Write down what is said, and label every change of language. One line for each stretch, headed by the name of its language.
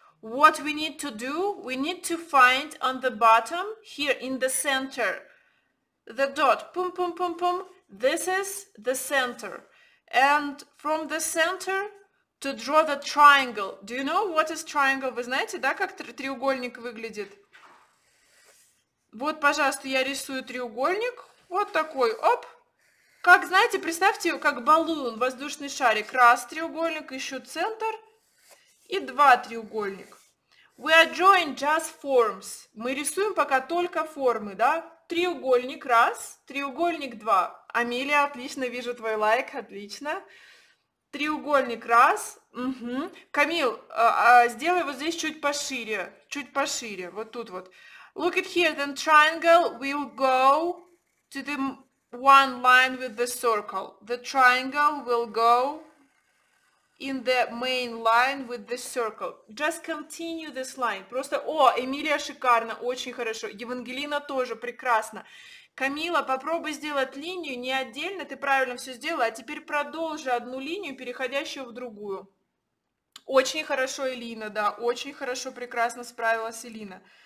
English: What we need to do, we need to find on the bottom, here in the center, the dot, pum pum pum pum. This is the center. And from the center to draw the triangle. Do you know what is triangle?
Russian: Вы знаете, да, как треугольник выглядит? Вот, пожалуйста, я рисую треугольник. Вот такой, оп. Как, знаете, представьте, как баллон, воздушный шарик. Раз треугольник, ищу центр. И два треугольник.
English: We are drawing just forms.
Russian: Мы рисуем пока только формы, да? Треугольник, раз. Треугольник, два. Амелия, отлично, вижу твой лайк, отлично. Треугольник, раз. Угу. Камил, сделай вот здесь чуть пошире. Чуть пошире, вот тут вот.
English: Look at here, then triangle will go to the one line with the circle. The triangle will go in the main line with the circle. Just continue this line.
Russian: Просто, о, Эмилия, шикарно, очень хорошо. Евангелина тоже, прекрасно. Камила, попробуй сделать линию не отдельно, ты правильно все сделала, а теперь продолжи одну линию, переходящую в другую. Очень хорошо, Элина, да, очень хорошо, прекрасно справилась Элина.